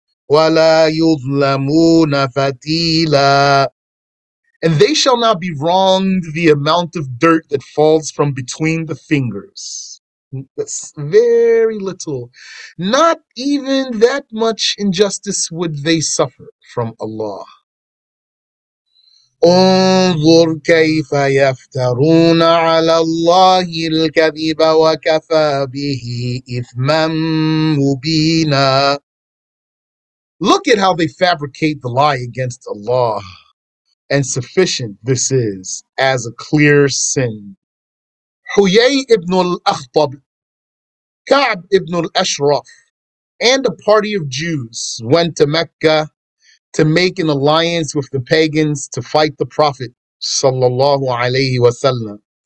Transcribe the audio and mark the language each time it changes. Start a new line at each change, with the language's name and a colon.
Arabic: وَلَا يُظْلَمُونَ فَتِيلًا.
English: And they shall not be wronged the amount of dirt that falls from between the fingers. That's very little. Not even that much injustice would they suffer from Allah.
Arabic: انظر كيف يفترون على الله الكذب وكفى به إثما مبينا.
English: Look at how they fabricate the lie against Allah. And sufficient this is as a clear sin. Huyay ibn al-Akhtab, Ka'b ibn al-Ashraf, and a party of Jews went to Mecca to make an alliance with the pagans to fight the Prophet sallallahu alayhi wa sallam.